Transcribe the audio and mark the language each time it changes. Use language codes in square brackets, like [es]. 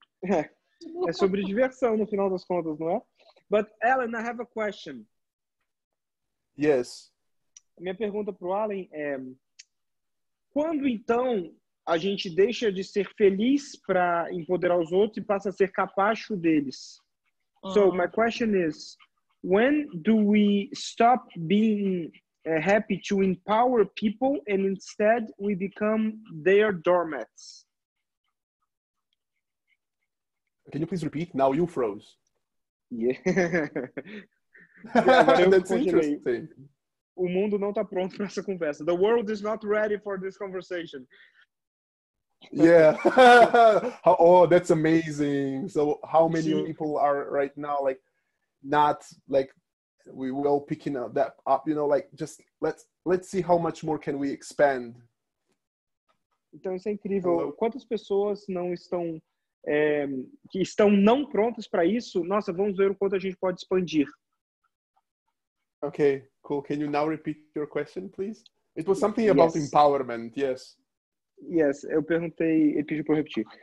[pt] É sobre diversão no final das contas, não é? [en] But Alan, I have a question. Yes. [pt] Minha pergunta para o Alan é: quando então a gente deixa de ser feliz para empoderar os outros e passa a ser capacho deles? [en] So my question is: when do we stop being happy to empower people and instead we become their doormats? Can you please repeat? Now you froze. Yeah. Yeah, that's interesting. [pt] O mundo não está pronto para essa conversa. [en] The world is not ready for this conversation. Yeah. Oh, that's amazing. So how many people are right now like not like we will picking up that up, you know, like just let's see how much more can we expand. [pt] Então isso é incrível. Hello. Quantas pessoas não estão que estão não prontas para isso? Nossa, vamos ver o quanto a gente pode expandir. [en] Okay, cool. Can you now repeat your question, please? It was something about empowerment. Yes. [pt] Yes, eu perguntei, ele pediu para eu repetir.